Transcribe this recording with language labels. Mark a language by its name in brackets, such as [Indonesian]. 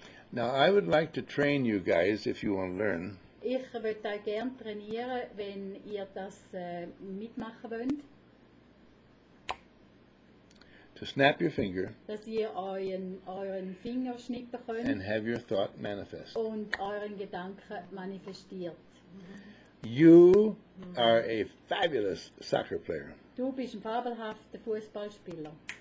[English] Now, I would like to train you guys, if you want to learn, [German] ich würde euch gerne trainieren, wenn ihr das mitmachen wollt. [English] To snap your finger. [German] Dass ihr euren Finger schnippen könnt. [English] And have your thought manifest. [German] Und euren Gedanken manifestiert. [English] You are a fabulous soccer player. [German] Du bist ein fabelhafter Fußballspieler.